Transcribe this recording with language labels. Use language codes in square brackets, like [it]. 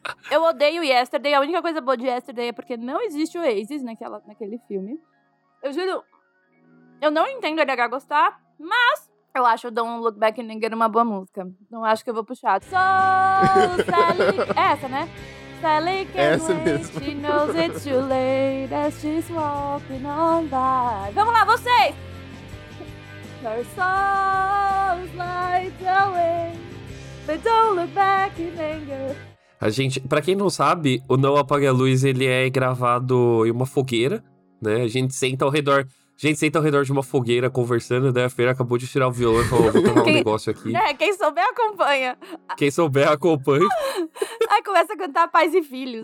[pt] Eu odeio Yesterday. A única coisa boa de Yesterday é porque não existe o Oasis naquele filme. Eu juro, eu não entendo a LH gostar, mas... Eu acho o Don't Look Back in Anger uma boa música. Não acho que eu vou puxar. [en] So, Sally... [pt] É essa, né? [en] Sally can't [pt] essa [en] wait. [pt] Mesmo. [en] She knows it's too late as she's walking on by. [pt] Vamos lá, vocês! [en] Her soul slides away, but don't look back in anger. [pt] A gente, pra quem não sabe, o Não Apague a Luz, ele é gravado em uma fogueira, né? A gente senta ao redor... A gente senta ao redor de uma fogueira conversando, daí a Fer acabou de tirar o violão e falou, vou tomar um negócio aqui. É, quem souber acompanha. Quem souber acompanha. Aí começa a cantar Pais e Filhos.